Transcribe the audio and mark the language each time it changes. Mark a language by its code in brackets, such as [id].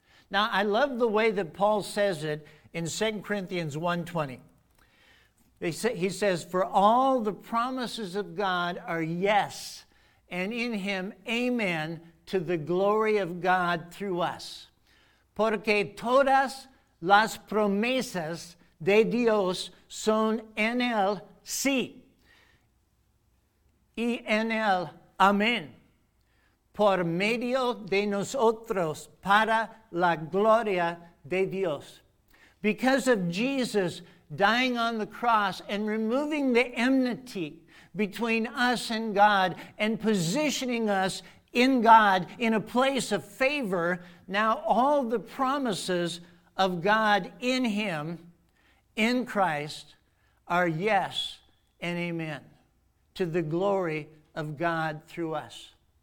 [en] Now, I love the way that Paul says it in 2 Corinthians 1:20. He says, for all the promises of God are yes and in him, amen, to the glory of God through us. [es] Porque todas las promesas de Dios son en él, sí, y en él, amén. Por medio de nosotros, para la gloria de Dios. [en] Because of Jesus dying on the cross and removing the enmity between us and God and positioning us in God in a place of favor, now all the promises of God in him, in Christ, are yes and amen to the glory of God through us.